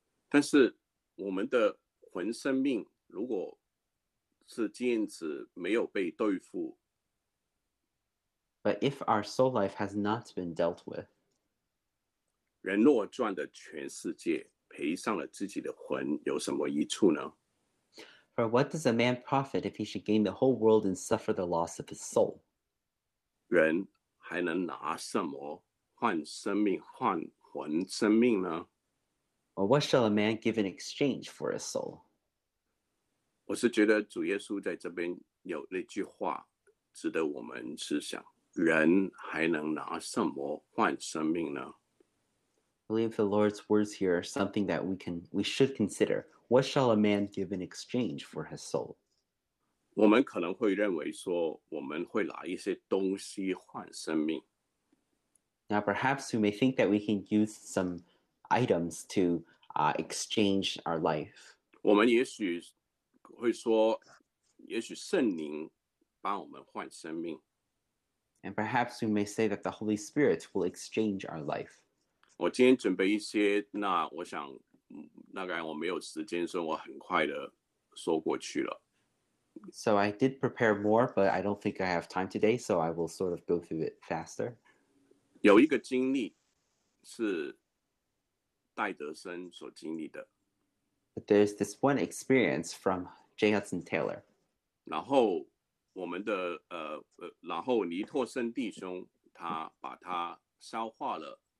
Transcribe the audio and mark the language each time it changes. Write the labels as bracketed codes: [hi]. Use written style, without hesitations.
[zh] 但是我们的魂生命如果是这样子没有被对付， [en] But if our soul life has not been dealt with, [zh] 人若赚的全世界赔上了自己的魂有什么益处呢？ [en] For what does a man profit if he should gain the whole world and suffer the loss of his soul? [zh] 人还能拿什么换生命换魂生命呢？ [en] Or what shall a man give in exchange for his soul? [zh] 我是觉得主耶稣在这边有那句话值得我们思想，人还能拿什么换生命呢？ [en] I believe the Lord's words here are something that we should consider. What shall a man give in exchange for his soul? [zh] 我们可能会认为说，我们会拿一些东西换生命。 [en] Now perhaps we may think that we can use some items to exchange our life. [zh] 我们也许会说，也许圣灵帮我们换生命。 [en] And perhaps we may say that the Holy Spirit will exchange our life. [zh] 我今天准备一些，那我想，大概我没有时间，所以我很快的说过去了。 [en] So I did prepare more, but I don't think I have time today, so I will sort of go through it faster. [zh] 有一个经历是戴德森所经历的。 [en] But there's this one experience from J. Hudson Taylor. [zh] 然后我们的然后尼托森弟兄他把它消化了。